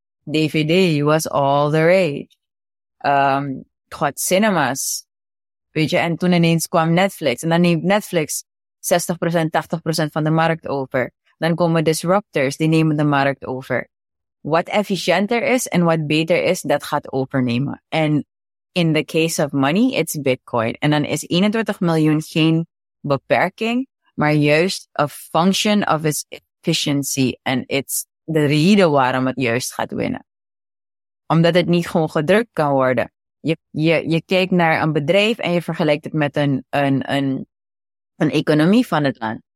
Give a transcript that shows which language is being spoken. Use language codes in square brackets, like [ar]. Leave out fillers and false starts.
[en] DVD was all the rage. God, cinemas. [nl] Weet je, en toen ineens kwam Netflix. En dan neemt Netflix 60%, 80% van de markt over. Dan komen disruptors, die nemen de markt over. Wat efficiënter is en wat beter is, dat gaat overnemen. [en] En in the case of money, it's Bitcoin. [nl] En dan is 21 miljoen geen beperking, maar juist [en] a function of its efficiency, and it's [nl] de reden waarom het juist gaat winnen. Omdat het niet gewoon gedrukt kan worden. Je kijkt naar een bedrijf en je vergelijkt het met een economie van het land.